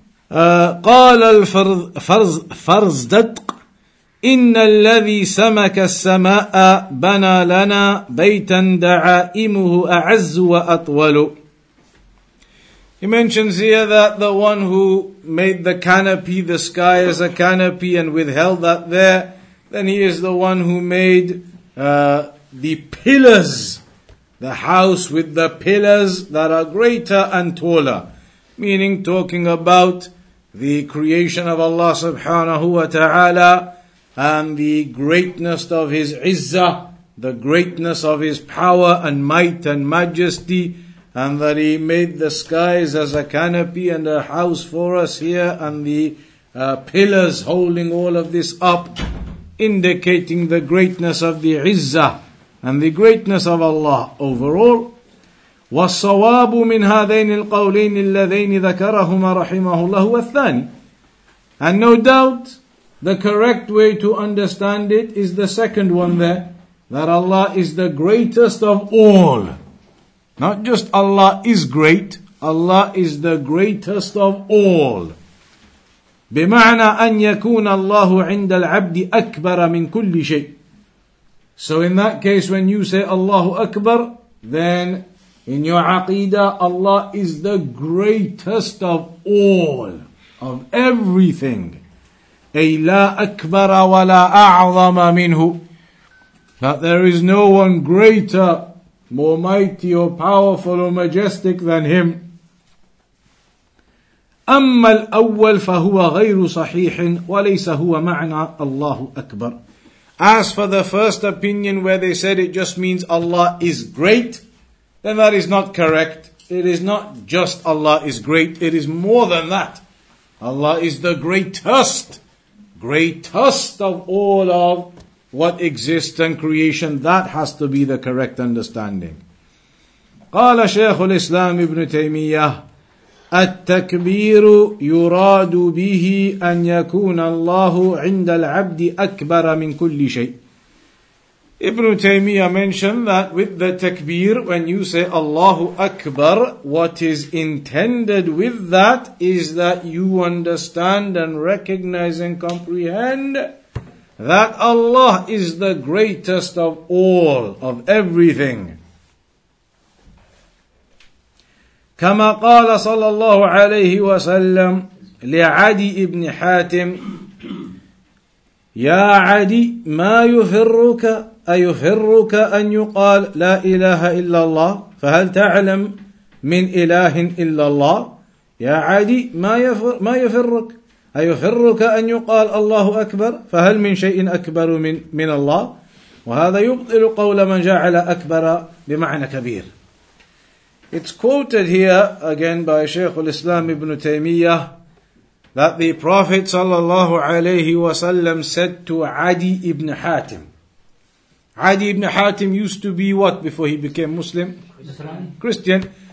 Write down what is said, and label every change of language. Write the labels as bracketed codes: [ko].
[ar] قال الفرز فرزدق إن الذي سمك السماء بنى لنا بيتا دعائمه أعز وأطول. [en] He mentions here that the one who made the canopy, the sky as a canopy, and withheld that there, then he is the one who made the pillars, the house with the pillars that are greater and taller. Meaning talking about the creation of Allah subhanahu wa ta'ala and the greatness of His izzah, the greatness of His power and might and majesty, and that He made the skies as a canopy and a house for us here, and the pillars holding all of this up, indicating the greatness of the izzah and the greatness of Allah overall. [ar] والصواب من هذين القولين اللذين ذكرهما رحمه الله والثاني. [en] And no doubt, the correct way to understand it is the second one there, that Allah is the greatest of all. Not just Allah is great, Allah is the greatest of all. [ar] بمعنى أن يكون الله عند العبد أكبر من كل شيء. [en] So in that case, when you say Allahu Akbar, then in your aqeedah, Allah is the greatest of all, of everything. [ar] أي لا أكبر ولا أعظم منه. [en] That there is no one greater, more mighty or powerful or majestic than Him. [ar] أما الأول فهو غير صحيح وليس هو معنى الله أكبر. [en] As for the first opinion where they said it just means Allah is great, then that is not correct. It is not just Allah is great. It is more than that. Allah is the greatest. Greatest of all of what exists and creation. That has to be the correct understanding. [ar] قال شيخ الإسلام ابن تيمية التكبير يراد به أن يكون الله عند العبد أكبر من كل شيء. [en] Ibn Taymiyyah mentioned that with the takbir, when you say Allahu Akbar, what is intended with that is that you understand and recognize and comprehend that Allah is the greatest of all, of everything. [ar] كما قال صلى الله عليه وسلم لعدي ابن حاتم يا عدي ما يفرك أيفرك أن يقال لا إله إلا الله فهل تعلم من إله إلا الله يا عادي ما يفرك أيفرك أن يقال الله أكبر فهل من شيء أكبر من الله وهذا يبطل قول من جعل أكبر بمعنى كبير. [en] It's quoted here again by Shaykh al-Islam ibn Taymiyyah that the Prophet sallallahu alayhi wa sallam said to Adi ibn Hatim. Adi ibn Hatim used to be what before he became Muslim? Christian.